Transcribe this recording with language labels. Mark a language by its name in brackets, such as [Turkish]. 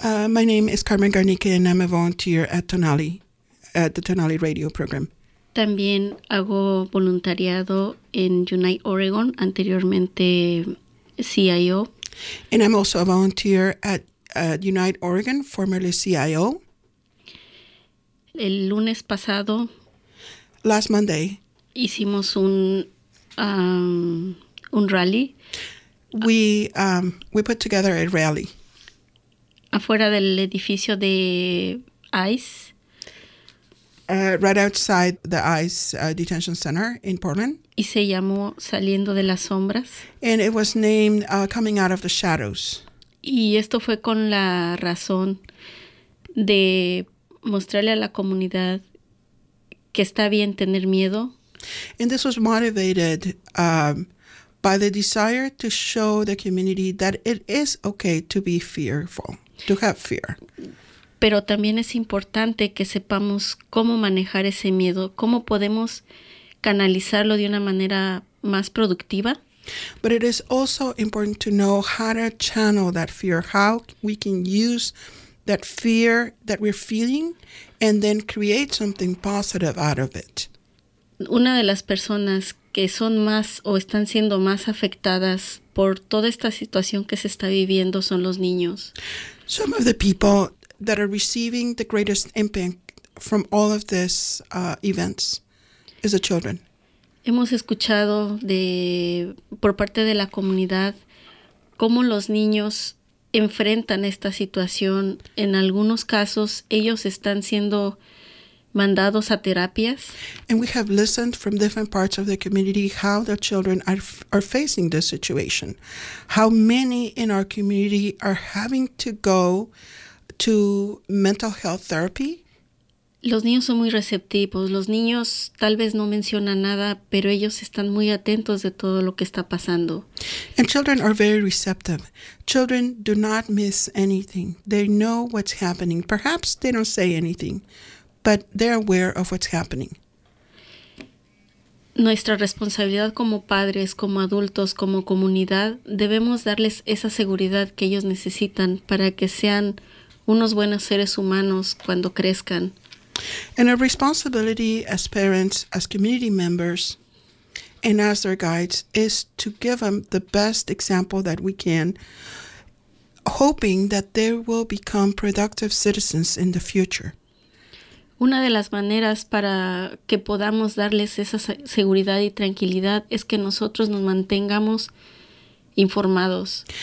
[English] My name is Carmen Garnica and I'm a volunteer at Tonali, at the Tonali radio program. [Spanish] También hago voluntariado en Unite Oregon, anteriormente CIO. [English] And I'm also a volunteer at Unite Oregon, formerly CIO. [Spanish] El lunes pasado, [English] last Monday, [Spanish] hicimos un rally. [English] We put together a rally [Spanish] afuera del edificio de ICE. [English] Right outside the ICE detention center in Portland. [Spanish] Y se llamó Saliendo de las Sombras. [English] And it was named Coming Out of the Shadows. [Spanish] Y esto fue con la razón de mostrarle a la comunidad que está bien tener miedo. [English] And this was motivated by the desire to show the community that it is okay to be fearful, to have fear. [Spanish] Pero también es importante que sepamos cómo manejar ese miedo, cómo podemos canalizarlo de una manera más productiva. [English] But it is also important to know how to channel that fear, how we can use that fear that we're feeling, and then create something positive out of it. [Spanish] Una de las personas que son más o están siendo más afectadas por toda esta situación que se está viviendo son los niños. [English] Some of the people that are receiving the greatest impact from all of this events is the children. [Spanish] Hemos escuchado por parte de la comunidad cómo los niños enfrentan esta situación. En algunos casos, ellos están siendo mandados a terapias. [English] And we have listened from different parts of the community how the children are facing this situation. How many in our community are having to go to mental health therapy? [Spanish] Los niños son muy receptivos. Los niños tal vez no mencionan nada, pero ellos están muy atentos de todo lo que está pasando. [English] And children are very receptive. Children do not miss anything. They know what's happening. Perhaps they don't say anything, but they're aware of what's happening. [Spanish] Nuestra responsabilidad como padres, como adultos, como comunidad, debemos darles esa seguridad que ellos necesitan para que sean unos buenos seres humanos cuando crezcan. [English] And our responsibility as parents, as community members, and as their guides is to give them the best example that we can, hoping that they will become productive citizens in the future. [Spanish] Una de las maneras para que podamos darles esa seguridad y tranquilidad es que nosotros nos mantengamos informados.